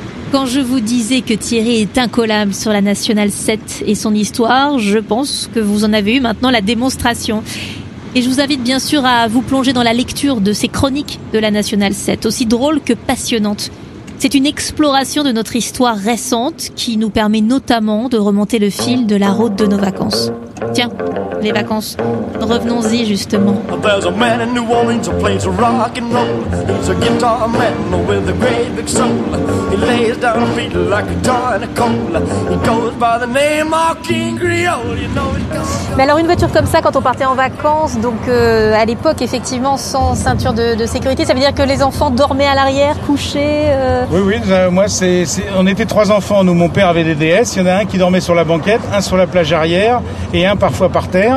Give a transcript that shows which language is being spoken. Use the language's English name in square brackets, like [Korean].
[French] Quand je vous disais que Thierry est incollable sur la Nationale 7 et son histoire, je pense que vous en avez eu maintenant la démonstration. Et je vous invite bien sûr à vous plonger dans la lecture de ces chroniques de la Nationale 7, aussi drôles que passionnantes. C'est une exploration de notre histoire récente qui nous permet notamment de remonter le fil de la route de nos vacances. Tiens, les vacances, revenons-y justement. [English] There's a man in New Orleans who plays rock and roll. He's a guitar man with a great big soul. He lays down a beat like a guitar and a cola. He goes by the name of King Creole. You know it goes. [French] Mais alors une voiture comme ça, quand on partait en vacances, donc à l'époque, effectivement, sans ceinture de sécurité, ça veut dire que les enfants dormaient à l'arrière, couchés Oui, moi, c'est... on était trois enfants, nous, mon père avait des DS. Il y en a un qui dormait sur la banquette, un sur la plage arrière et un parfois par terre.